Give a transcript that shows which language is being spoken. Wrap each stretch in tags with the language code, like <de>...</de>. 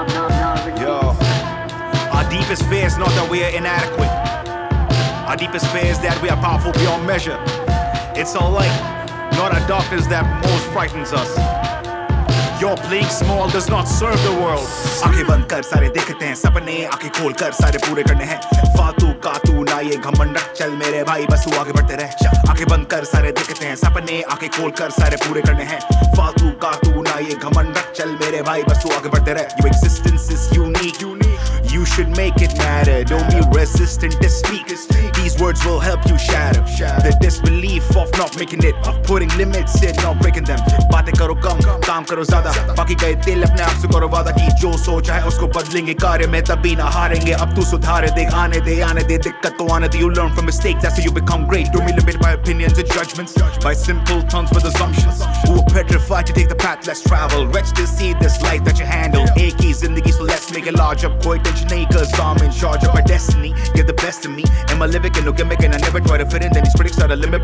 <en>deepest fear is not that we are inadequate. Our deepest fear is that we are powerful beyond measure. It's a light, not a darkness, that most frightens us. Your bleak small does not serve the world.</en> <hi>आंखें बंद कर सारे देखते हैं सपने, आंखें खोल कर सारे पूरे करने हैं. फालतू का तू ना ये घमंड रख, चल मेरे भाई बस तू आगे बढ़ते रह. आंखें बंद कर सारे देखते हैं सपने, आंखें खोल कर सारे पूरे करने हैं. फालतू का तू ना ये घमंड रख, चल मेरे भाई बस तू आगे बढ़ते रह.</hi> <en>Your existence is unique, unique. You should make it matter. Don't be resistant to speak. These words will help you shatter the disbelief of not making it, of putting limits and not breaking them.</en> <hi>बातें करो कम, काम करो ज्यादा, बाकी गए दिल अपने आप से करो वादा कि जो सोचा है उसको बदलेंगे कार्य में, तभी ना हारेंगे. अब तू सुधार दे, आने दे, आने दे दिक्कत तो आने दे.</hi> <en>You learn from mistakes, that's how you become great. Don't be limited by opinions and judgments, by simple tongues with assumptions. Who are petrified to take the path less traveled, wretched to see this life that you handle.</en> <hi>Ek hi zindagi,</hi> <en>so let's make it large up.</en> <hi>Koi tension nahi,</hi> <en>cause I'm in charge of my destiny. Get the best of me, am I living in no gimmick? And I never try to fit in, then these critics are the limit.</en>